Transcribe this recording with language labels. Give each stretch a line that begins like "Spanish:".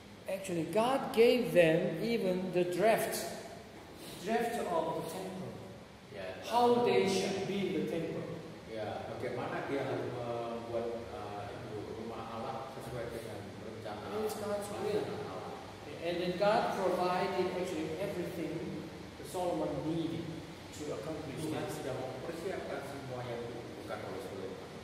English: Actually, God gave them even the draft of the temple. Yeah. How they should build the temple. Yeah.
Indonesian: Bagaimana dia harus membuat rumah Allah sesuai dengan rencana.
English: It is God's will. And then God provided actually everything Solomon needed to accomplish.
Indonesian: Tuhan sudah mempersiapkan semua yang bukan oleh Solomon.